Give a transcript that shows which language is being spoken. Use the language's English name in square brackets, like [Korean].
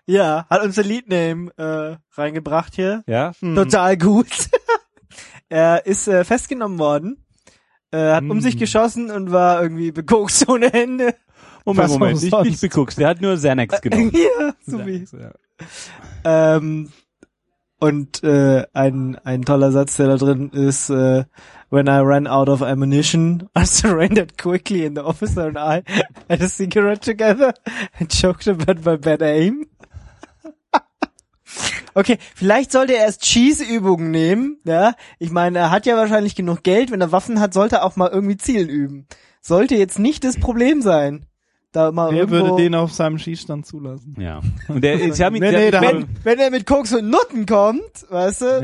[German] Ja, hat unser Leadname reingebracht hier. Ja. Total gut. Er ist festgenommen worden, hat um sich geschossen und war irgendwie bekokst ohne Hände. Moment, ich bin nicht bekokst, der hat nur Xanax genommen. Ja, so wie. Ein toller Satz, der da drin ist, [English] when I ran out of ammunition, I surrendered quickly and the officer and I had a cigarette together and joked about my bad aim. [German] Okay, vielleicht sollte er erst Cheese-Übungen nehmen, ja? Ich meine, er hat ja wahrscheinlich genug Geld, wenn er Waffen hat, sollte er auch mal irgendwie Zielen üben. Sollte jetzt nicht das Problem sein. Wer würde den auf seinem Schießstand zulassen? Ja. Wenn er mit Koks und Nutten kommt, weißt du?